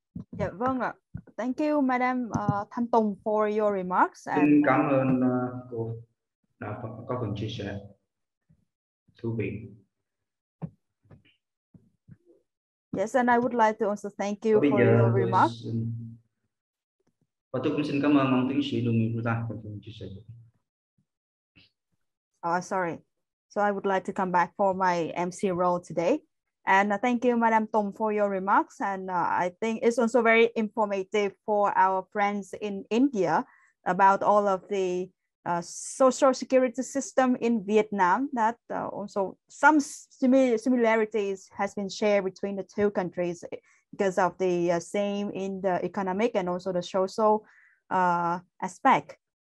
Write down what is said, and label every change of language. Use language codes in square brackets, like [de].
[vi] Dạ vâng ạ. [en] Thank you Madam Thanh Tùng for your remarks. [vi] Xin cảm ơn cô đã có phần chia sẻ thú vị. [en] Yes, and I would like to also thank you for your remarks. [vi] Và tôi cũng xin cảm ơn ông tiến sĩ Đường Nguyễn Vũ Giang của chúng tôi. [en] Sorry. So I would like to come back for my MC role today. And thank you, Madam Tom, for your remarks. And I think it's also very informative for our friends in India about all of the social security system in Vietnam, that also some similarities has been shared between the two countries because of the same in the economic and also the social aspect.